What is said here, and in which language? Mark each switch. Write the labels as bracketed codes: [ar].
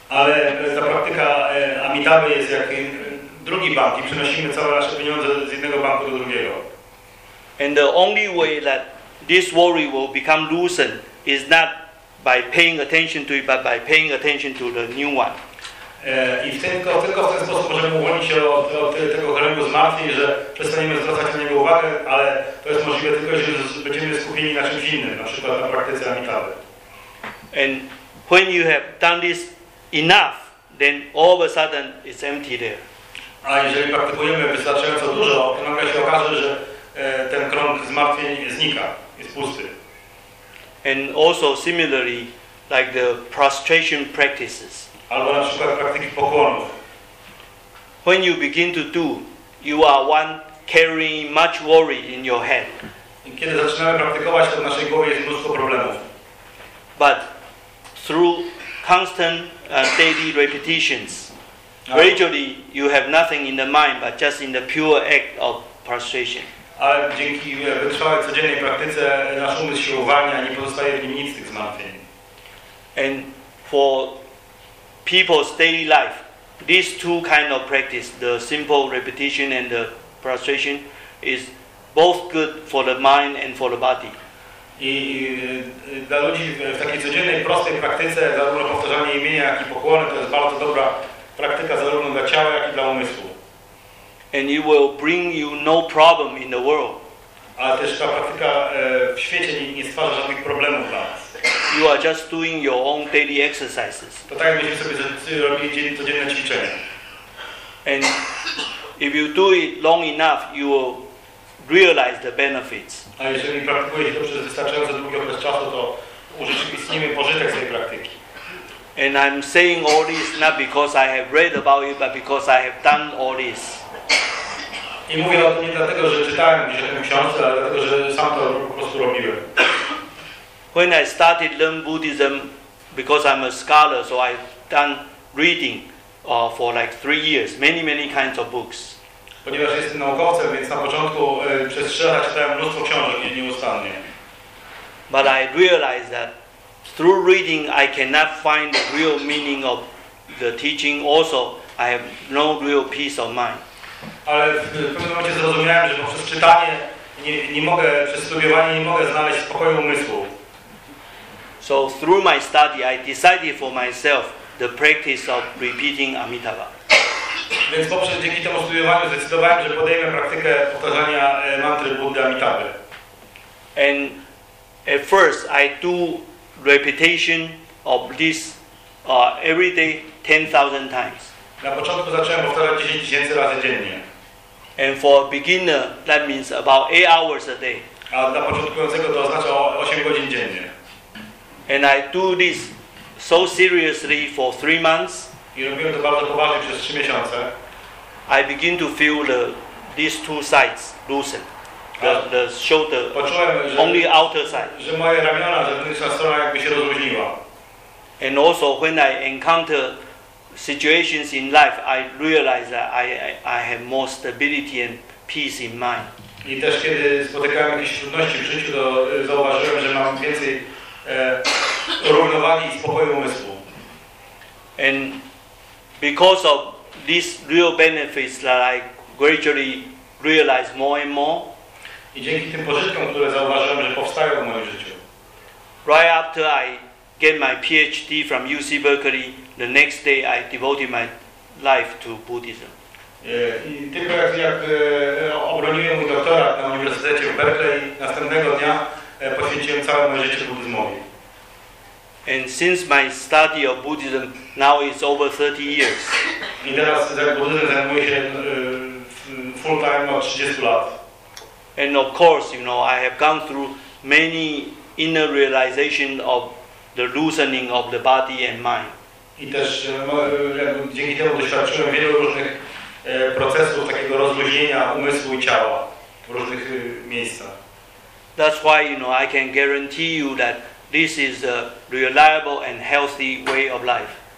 [pl] Ale ta praktyka Amitabha jest jak drugi bank i przenosimy całe nasze pieniądze z jednego banku do drugiego. [en] And the only way that this worry will become loosened is not by paying attention to it, but by paying attention to the new one. [pl] I tylko w ten sposób możemy uwolnić się od tego kręgu zmartwień, że przestaniemy zwracać na niego uwagę, ale to jest możliwe tylko, jeżeli będziemy skupieni na czymś innym, na przykład na praktyce Amitabha. [en] And when you have done this enough, then all of a sudden it's empty there. [pl] A jeżeli praktykujemy wystarczająco dużo, to nagle się okaże, że ten krąg zmartwień znika, jest pusty. [en] And also similarly, like the prostration practices. [pl] Albo na przykład praktyki pokłonów. [en] When you begin to do, you are one carrying much worry in your head. [pl] I kiedy zaczynamy praktykować, to w naszej głowie jest mnóstwo problemów. [en] But through constant and daily repetitions, gradually you have nothing in the mind, but just in the pure act of prostration. [pl] Ale dzięki wytrwałej codziennej praktyce nasz umysł się uwalnia, nie pozostaje w nim nic z tych zmartwień. [en] And for people's daily life, these two kind of practice, the simple repetition and the prostration, is both good for the mind and for the body. [pl] I dla ludzi w takiej codziennej, prostej praktyce, zarówno powtarzanie imienia, jak i pokłony, to jest bardzo dobra praktyka zarówno dla ciała, jak i dla umysłu. [en] And it will bring you no problem in the world. [pl] Ale też ta praktyka w świecie nie stwarza żadnych problemów dla nas. [en] You are just doing your own daily exercises. [pl] To tak, jakbyśmy sobie robili codzienne ćwiczenia. [en] And if you do it long enough, you will realize the benefits. [pl] A jeżeli praktykujecie to przez wystarczająco długi okres czasu, to urzeczywistnimy pożytek z tej praktyki. [en] And I'm saying all this not because I have read about it, but because I have done all this. [pl] I mówię o tym nie dlatego, że czytałem gdzieś o tym książce, ale dlatego, że sam to po prostu robiłem. [en] When I started learn Buddhism, because I'm a scholar, so I've done reading for like 3 years, many, many kinds of books. [pl] Ponieważ jestem naukowcem, więc na początku przez 3 lata czytałem mnóstwo książek nieustannie. [en] But I realized that through reading I cannot find the real meaning of the teaching. Also, I have no real peace of mind. [pl] Ale w pewnym momencie zrozumiałem, że poprzez czytanie nie mogę, przez studiowanie nie mogę znaleźć spokoju umysłu. [en] So through my study, I decided for myself the practice of repeating Amitabha. [pl] Więc poprzez dzięki temu studiowaniu zdecydowałem, że podejmę praktykę powtarzania mantry Buddy Amitabha. [en] And at first, I do repetition of this every day 10,000 times. [pl] Na początku zacząłem powtarzać 10 tysięcy razy dziennie. [en] And for a beginner, that means about 8 hours a day. [pl] A dla początkującego to oznacza 8 godzin dziennie. [en] And I do this so seriously for 3 months. [pl] I robiłem to bardzo poważnie przez 3 miesiące. [en] I begin to feel these two sides loosen. The shoulder, [pl] poczułem, [en] only outer side. [pl] Że moje ramiona, zewnętrzna strona jakby się rozluźniła. [en] And also when I encounter situations in life, I realize that I have more stability and peace in mind. [pl] I też kiedy spotykałem jakieś trudności w życiu, to zauważyłem, że mam więcej równowagi i spokoju umysłu. [en] And because of these real benefits that I gradually realize more and more, [pl] I dzięki tym pożytkom, które zauważyłem, że powstają w moim życiu. [en] Right after I get my PhD from UC Berkeley, the next day I devoted my life to Buddhism. [pl] I tylko jak obroniłem mój doktorat na Uniwersytecie w Berkeley, następnego dnia poświęciłem całe moje życie buddyzmowi. [en] And since my study of Buddhism now is over 30 years. [pl] I teraz buddyzm zajmuje się full time od 30 lat. [en] And of course, you know, I have gone through many inner realization of the loosening of the body and mind. [pl] I też dzięki temu doświadczyłem wielu różnych procesów takiego rozluźnienia umysłu i ciała w różnych miejscach. [en] That's why, you know, I can guarantee you that this is a reliable and healthy way of life.